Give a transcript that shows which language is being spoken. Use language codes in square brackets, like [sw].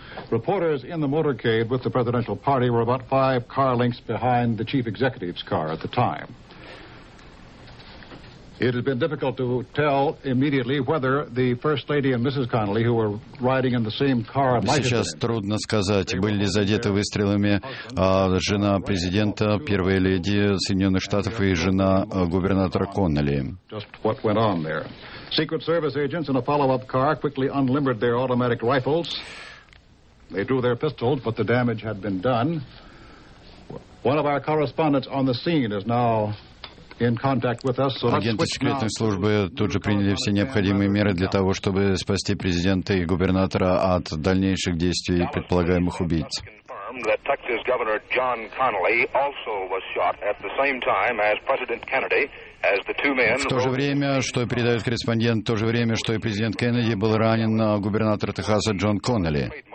[en] Reporters in the motorcade with the presidential party were about five car lengths behind the chief executive's car at the time. It has been difficult to tell immediately whether the First Lady and Mrs. Connelly, who were riding in the same car, [ru] сейчас трудно сказать, были ли задеты выстрелами жена президента, первая леди Соединенных Штатов и жена губернатора Коннелли. [en] Just what went on there. Secret Service agents in a follow-up car quickly unlimbered their automatic rifles. They drew their pistols, but the damage had been done. One of our correspondents on the scene is now in contact with us, so [ru] агенты секретной службы тут же приняли все необходимые меры для того, чтобы спасти президента и губернатора от дальнейших действий предполагаемых убийц. [en] That Texas Governor John Connelly also was shot at the same time as President Kennedy, as the two men. [ru] В то же время, что передает корреспондент, в то же время, что и президент Кеннеди был ранен, губернатор Техаса Джон Коннелли.